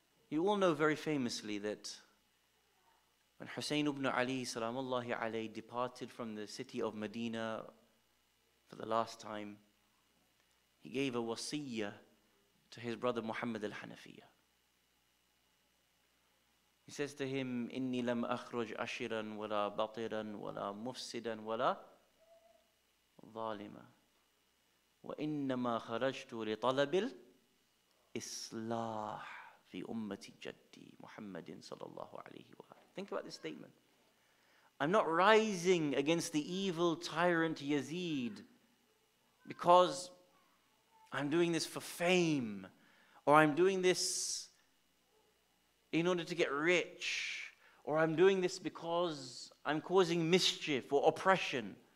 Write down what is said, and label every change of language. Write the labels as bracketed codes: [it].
[en] You all know very famously that when Hussein ibn Ali, salamullahi alayhi, departed from the city of Medina for the last time, he gave a wasiyya to his brother Muhammad al-Hanafiyya. He says to him, [ar] إِنِّي لَمْ أَخْرُجْ أَشِرًا وَلَا بَطِرًا وَلَا مُفْسِدًا وَلَا ظَالِمًا وَإِنَّمَا خَرَجْتُ لِطَلَبِ الْإِصْلَاحِ فِي أُمَّةِ جَدِّي مُحَمَّدٍ sallallahu alayhi wa. [en] Think about this statement. I'm not rising against the evil tyrant Yazid because I'm doing this for fame, or I'm doing this in order to get rich, or I'm doing this because I'm causing mischief or oppression.